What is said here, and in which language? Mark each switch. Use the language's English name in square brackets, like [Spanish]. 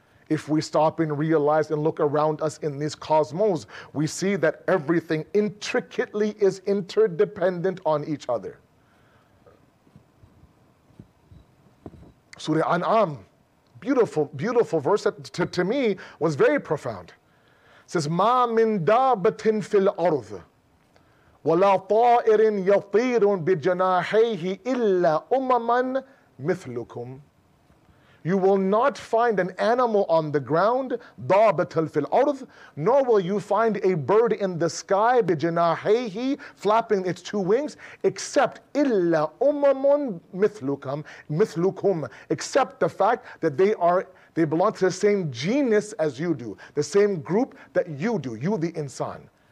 [English] If we stop and realize and look around us in this cosmos, we see that everything intricately is interdependent on each other. Surah An'am, beautiful, beautiful verse that to me was very profound. It says, [Arabic] مَا مِن دَابَةٍ فِي الْأَرْضِ وَلَا طَائِرٍ يَطِيرٌ بِجَنَاحَيْهِ إِلَّا أُمَمًا مِثْلُكُمْ. [English] You will not find an animal on the ground, [Arabic] دَابَةً فِي الْأَرْضِ, [English] nor will you find a bird in the sky, بِجَنَاحَيْهِ, flapping its two wings, except [Arabic] إِلَّا أُمَمٌ مِثْلُكُمْ, [English] except the fact that they belong to the same genus as you do, the same group that you do, you the insan.